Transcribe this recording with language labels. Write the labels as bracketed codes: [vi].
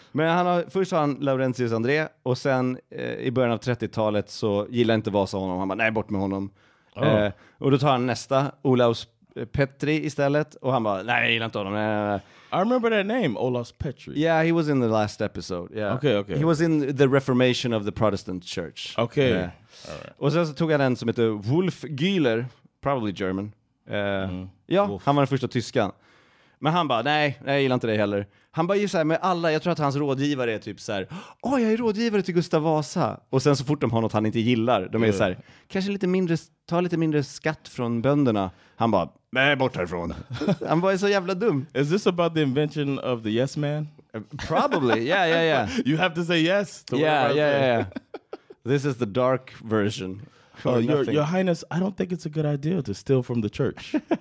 [sv] Men först har han Laurentius André. Och sen i början av 30-talet så gillar inte Vasa honom. Han bara, nej, bort med honom. Oh. Och då tar han nästa, Olaus Petri istället. Och han bara, nej, jag gillar inte honom. [en] I remember that name, Olaus Petri. Yeah, he was in the last episode. Yeah. Okay. He was in the reformation of the Protestant church. Okay. Yeah. All right. [sv] Och sen så tog han en som heter Wolf Güler. [en] Probably German. [sv] Ja, han var den första tyskan. Men han bara, nej, jag gillar inte det heller. Han bara, ju så här med alla, jag tror att hans rådgivare är typ så här, åh, jag är rådgivare till Gustav Vasa. Och sen så fort de har något han inte gillar, de är så här, kanske lite mindre, ta lite mindre skatt från bönderna. Han bara, nej, bort härifrån. Han bara, är så jävla dum. [en] Is this about the invention of the yes man? Probably, yeah. You have to say yes to Yeah. This is the dark version. Your Highness, I don't think it's a good idea to steal from the church.